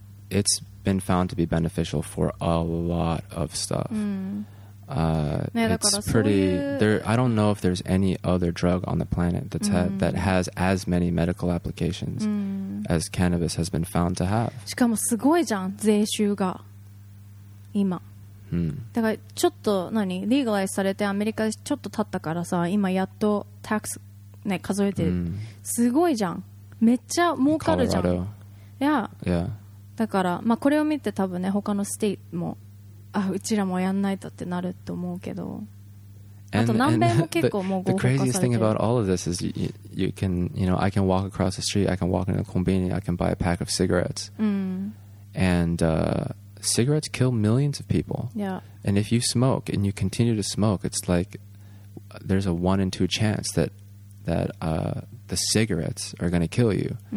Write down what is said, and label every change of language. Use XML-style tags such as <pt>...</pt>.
<en>It's been found to be beneficial for a lot of stuff. It's pretty. I don't know if there's any other drug on the planet that has as many medical applications as cannabis has been found to have.</en> <ja>しかもすごいじゃん税収が今。だからちょっと何リーガライズされてアメリカでちょっと経ったからさ今やっとタックスね数えてる、すごいじゃんめっちゃ儲かるじゃん。</ja> <en>Yeah.</en> <ja>だからまあこれを見て多分ね他のステイもあうちらもやんないとってなると思うけど、</ja> <en>and,</en> <ja>あと南米も結構もう合法化されてる。</ja> <en>The craziest thing about all of this is you can you know I can walk across the street, I can walk into a convenience, I can buy a pack of cigarettes, and cigarettes kill millions of people. Yeah. And if you smoke and you continue to smoke, it's like there's a 1 in 2 chance that the cigarettes are going to kill you.</en>